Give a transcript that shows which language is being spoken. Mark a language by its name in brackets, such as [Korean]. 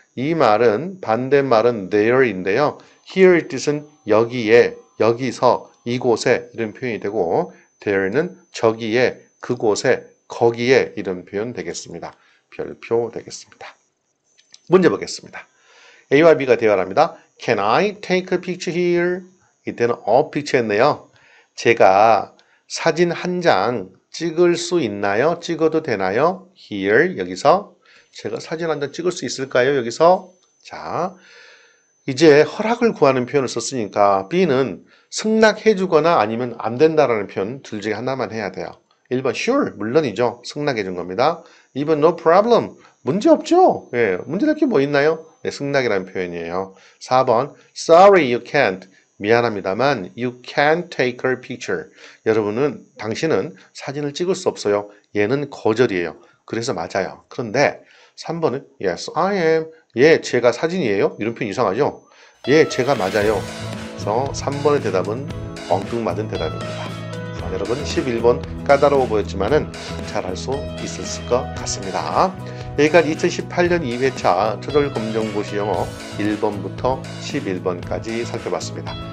[Korean] 이 말은 반대말은 there인데요. Here의 뜻은 여기에, 여기서, 이곳에 이런 표현이 되고, there는 저기에, 그곳에, 거기에 이런 표현 되겠습니다. 별표 되겠습니다. 문제 보겠습니다. A와 B가 대화를 합니다. [English] Can I take a picture here? [Korean] 이때는 a picture였네요. 제가 사진 한장 찍을 수 있나요? 찍어도 되나요? Here, 여기서. 제가 사진 한장 찍을 수 있을까요? 여기서. 자, 이제 허락을 구하는 표현을 썼으니까 B는 승낙해주거나 아니면 안 된다라는 표현 둘 중에 하나만 해야 돼요. 1번 sure, 물론이죠. 승낙해준 겁니다. 2번 no problem, 문제없죠. 예, 문제될 게뭐 있나요? 예, 승낙이라는 표현이에요. [English] 4번 sorry, you can't, [Korean] 미안합니다만 [English] you can't take her picture. [Korean] 여러분은, 당신은 사진을 찍을 수 없어요. 얘는 거절이에요. 그래서 맞아요. 그런데 3번은 [English] yes, I am. [Korean] 예, 제가 사진이에요. 이런 표현 이상하죠? 예, 제가 맞아요. 그래서 3번의 대답은 엉뚱맞은 대답입니다. 여러분, 11번 까다로워 보였지만은 잘할 수 있을 것 같습니다. 여기까지 2018년 2회차 최종검정고 시험 1번부터 11번까지 살펴봤습니다.